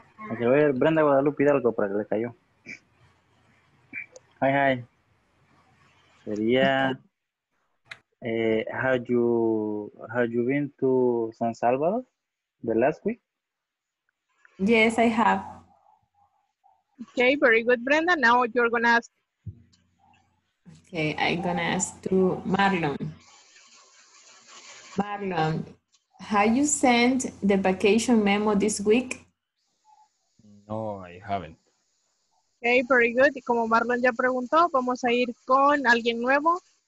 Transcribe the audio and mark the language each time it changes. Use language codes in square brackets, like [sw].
[es] Aquí voy a ver Brenda Guadalupe Hidalgo para que le cayó. [en] Hi, hi. Sería, have you been to San Salvador the last week? Yes, I have. Okay, very good, Brenda. Now you're gonna ask. Okay, I'm gonna ask to Marlon. Marlon, have you sent the vacation memo this week? No, I haven't. Okay, very good. [es] Y como Marlon ya preguntó, vamos a ir con alguien nuevo.